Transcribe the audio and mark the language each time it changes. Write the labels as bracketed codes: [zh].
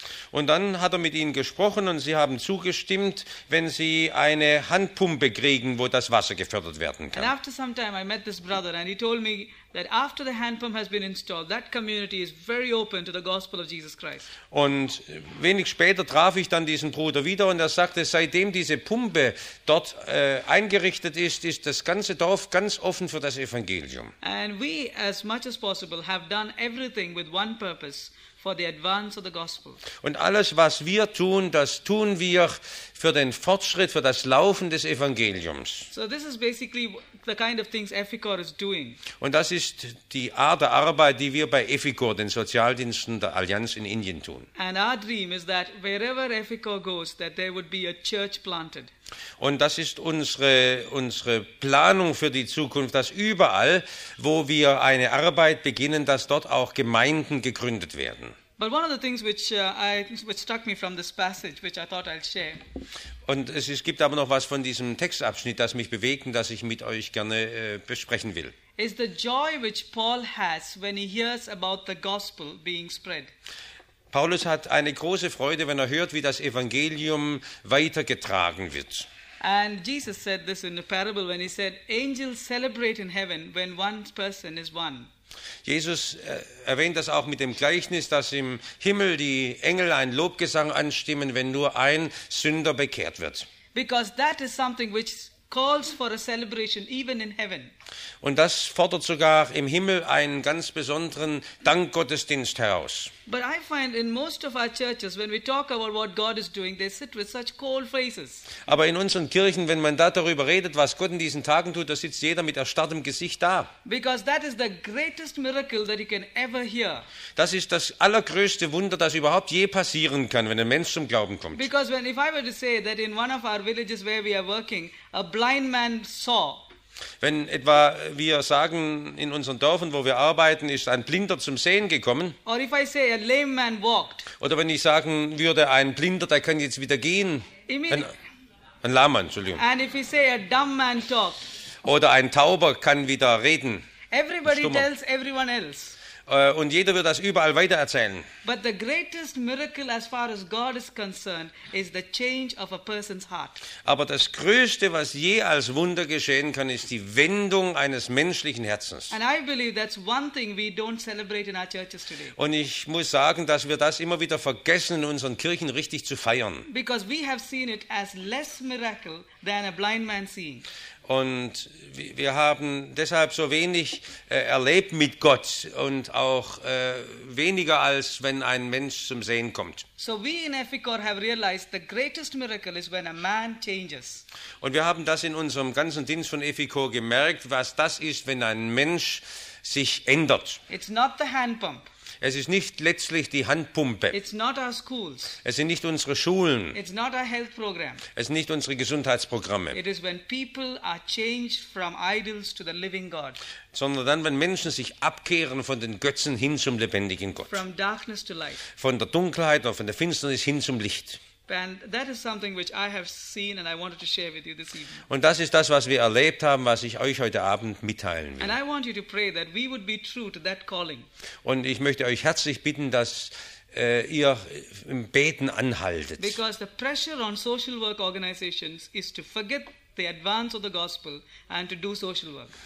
[de] Und dann hat er mit ihnen gesprochen und sie haben zugestimmt, wenn sie eine Handpumpe kriegen, wo das Wasser gefördert werden kann. [en] And after some time I met this brother and he told me that after the hand pump has been installed, that community is very open to the gospel of Jesus Christ. [de] Und wenig später traf ich dann diesen Bruder wieder und er sagte, seitdem diese Pumpe dort eingerichtet ist, ist das ganze Dorf ganz offen für das Evangelium. [en] And we as much as possible have done everything with one purpose, for the advance of the gospel. [de] Und alles was wir tun, das tun wir für den Fortschritt, für das Laufen des Evangeliums. [en] So this is basically the kind of things EFICO is doing. [de] Und das ist die Art der Arbeit, die wir bei EFICO, den Sozialdiensten der Allianz in Indien, tun. [en] And our dream is that wherever EFICO goes, that there would be a church planted. [de] Und das ist unsere Planung für die Zukunft, dass überall, wo wir eine Arbeit beginnen, dass dort auch Gemeinden gegründet werden. [en] But one of the things which stuck me from this passage, which I thought I'll share. [de] Und es gibt aber noch was von diesem Textabschnitt, das mich bewegt, das ich mit euch gerne besprechen will. [en] Is the joy which Paul has when he hears about the gospel being spread. [de] Paulus hat eine große Freude, wenn er hört, wie das Evangelium weitergetragen wird. [en] And Jesus said this in a parable when he said, "Angels celebrate in heaven when one person is won." [de] Jesus erwähnt das auch mit dem Gleichnis, dass im Himmel die Engel einen Lobgesang anstimmen, wenn nur ein Sünder bekehrt wird. [en] Because that is something which calls for a celebration even in heaven. [de] Und das fordert sogar im Himmel einen ganz besonderen Dankgottesdienst heraus. [en] But I find in most of our churches when we talk about what God is doing, they sit with such cold faces. [de] Aber in unseren Kirchen, wenn man da darüber redet, was Gott in diesen Tagen tut, da sitzt jeder mit erstarrtem Gesicht da. [en] Because that is the greatest miracle that you can ever hear. [de] Das ist das allergrößte Wunder, das überhaupt je passieren kann, wenn ein Mensch zum Glauben kommt. [en] Because when if I were to say that in one of our villages where we are working, a blind man saw. [de] Wenn etwa wir sagen, in unseren Dörfern, wo wir arbeiten, ist ein Blinder zum Sehen gekommen. [en] Or if I say a lame man walked. [de] Oder wenn ich sagen würde, ein Blinder, der kann jetzt wieder gehen. Ein Lahmer, Entschuldigung. [en] And if you say a dumb man talked. [de] Oder ein Tauber kann wieder reden. [en] Everybody tells everyone else. [de] Und jeder wird das überall weitererzählen. [en] But the greatest miracle as far as God is concerned is the change of a person's heart. [de] Aber das größte, was je als Wunder geschehen kann, ist die Wendung eines menschlichen Herzens. [en] And I believe that's one thing we don't celebrate in our churches today. [de] Und ich muss sagen, dass wir das immer wieder vergessen, in unseren Kirchen richtig zu feiern. [en] Because we have seen it as less miracle than a blind man seeing. [de] Und wir haben deshalb so wenig erlebt mit Gott und auch weniger als wenn ein Mensch zum Sehen kommt. [en] So we in Efficor have realized the greatest miracle is when a man changes. [de] Und wir haben das in unserem ganzen Dienst von Efficor gemerkt, was das ist, wenn ein Mensch sich ändert. [en] It's not the hand pump. [de] Es ist nicht letztlich die Handpumpe. [en] It's not our schools. [de] Es sind nicht unsere Schulen. [en] It's not our health program. [de] Es sind nicht unsere Gesundheitsprogramme. [en] It is when people are changed from idols to the living God. [de] Sondern dann, wenn Menschen sich abkehren von den Götzen hin zum lebendigen Gott. [en] From darkness to light. [de] Von der Dunkelheit oder von der Finsternis hin zum Licht. [en] And that is something which I have seen and I wanted to share with you this evening. [de] Und das ist das, was wir erlebt haben, was ich euch heute Abend mitteilen will. [en] And I want you to pray that we would be true to that calling. [de] Und ich möchte euch herzlich bitten, dass ihr im Beten anhaltet. [en] Because the pressure on social work organizations is to forget the advance of the gospel and to do social work.